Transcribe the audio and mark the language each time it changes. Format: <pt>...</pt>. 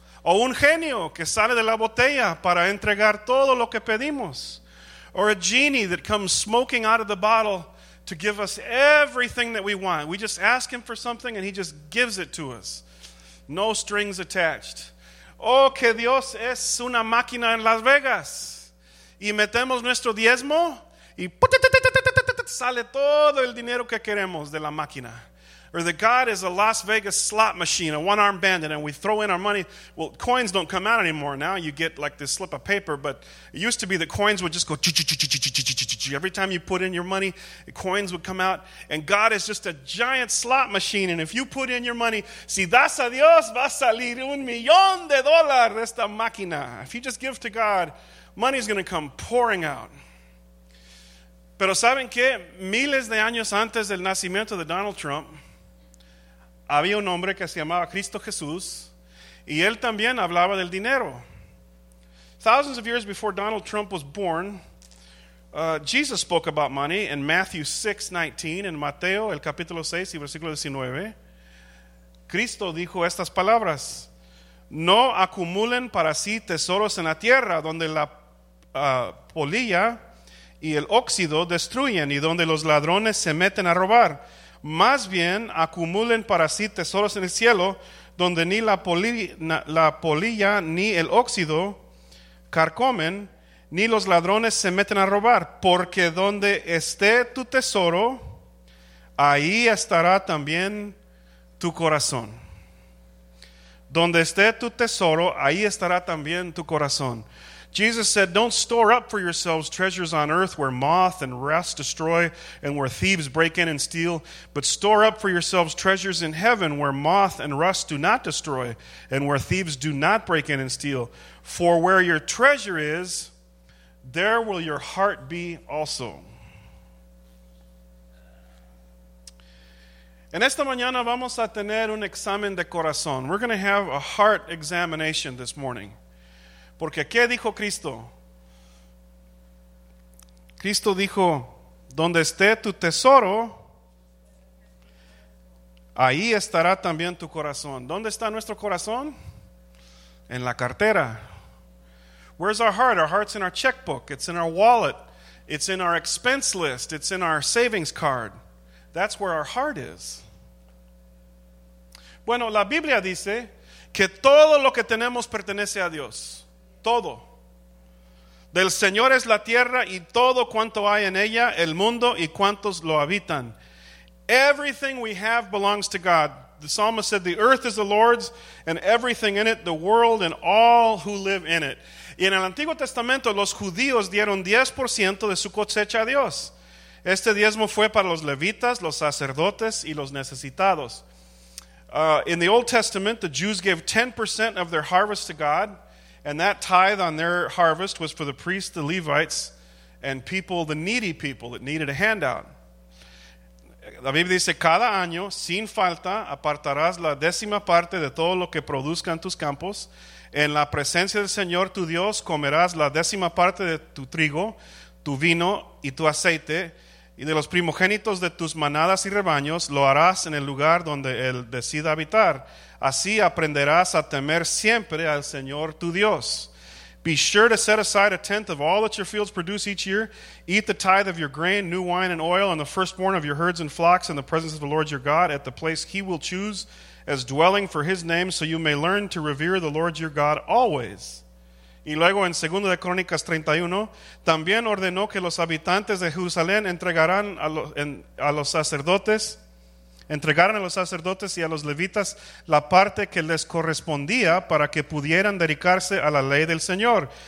<es>O un genio que sale de la botella para entregar todo lo que pedimos.</es> <en>Or a genie that comes smoking out of the bottle to give us everything that we want. We just ask him for something and he just gives it to us. No strings attached.</en> <es>Oh, que Dios es una máquina en Las Vegas. Y metemos nuestro diezmo y sale todo el dinero que queremos de la máquina.</es> <en>Or that God is a Las Vegas slot machine, a one-armed bandit, and we throw in our money. Well, coins don't come out anymore now. You get like this slip of paper, but it used to be that coins would just go every time you put in your money, coins would come out, and God is just a giant slot machine, and if you put in your money,</en> <es>si das a Dios, va a salir un millón de dólares de esta máquina.</es> <en>If you just give to God, money's going to come pouring out.</en> <es>Pero saben que miles de años antes del nacimiento de Donald Trump, había un hombre que se llamaba Cristo Jesús, y él también hablaba del dinero.</es> <en>Thousands of years before Donald Trump was born, Jesus spoke about money in Matthew 6:19,</en> <es>en Mateo, el capítulo 6 y versículo 19. Cristo dijo estas palabras: no acumulen para sí tesoros en la tierra, donde la polilla y el óxido destruyen, y donde los ladrones se meten a robar. Más bien, acumulen para sí tesoros en el cielo, donde ni la polilla ni el óxido carcomen, ni los ladrones se meten a robar. Porque donde esté tu tesoro, ahí estará también tu corazón. Donde esté tu tesoro, ahí estará también tu corazón.</es> <en>Jesus said, don't store up for yourselves treasures on earth where moth and rust destroy and where thieves break in and steal, but store up for yourselves treasures in heaven where moth and rust do not destroy and where thieves do not break in and steal. For where your treasure is, there will your heart be also.</en> <es>En esta mañana vamos a tener un examen de corazón.</es> <en>We're going to have a heart examination this morning.</en> <es>Porque, ¿qué dijo Cristo? Cristo dijo, donde esté tu tesoro, ahí estará también tu corazón. ¿Dónde está nuestro corazón? En la cartera.</es> <en>Where's our heart? Our heart's in our checkbook. It's in our wallet. It's in our expense list. It's in our savings card. That's where our heart is.</en> <es>Bueno, la Biblia dice que todo lo que tenemos pertenece a Dios. Todo. Del Señor es la tierra y todo cuanto hay en ella, el mundo y cuantos lo habitan.</es> <en>Everything we have belongs to God. The psalmist said, the earth is the Lord's and everything in it, the world and all who live in it.</en> <es>Y en el Antiguo Testamento, los judíos dieron 10% de su cosecha a Dios. Este diezmo fue para los levitas, los sacerdotes y los necesitados.</es> <en>In the Old Testament, the Jews gave 10% of their harvest to God. And that tithe on their harvest was for the priests, the Levites, and people, the needy people that needed a handout.</en> <es>La Biblia dice, cada año, sin falta, apartarás la décima parte de todo lo que produzcan tus campos. En la presencia del Señor tu Dios, comerás la décima parte de tu trigo, tu vino y tu aceite, y de los primogénitos de tus manadas y rebaños, lo harás en el lugar donde Él decida habitar. Así aprenderás a temer siempre al Señor tu Dios.</es> <en>Be sure to set aside a tenth of all that your fields produce each year. Eat the tithe of your grain, new wine and oil, and the firstborn of your herds and flocks in the presence of the Lord your God at the place he will choose as dwelling for his name, so you may learn to revere the Lord your God always.</en> <es>Y luego en 2 de Crónicas 31, también ordenó que los habitantes de Jerusalén entregarán entregaran a los sacerdotes y a los levitas la parte que les correspondía para que pudieran dedicarse a la ley del Señor.</es>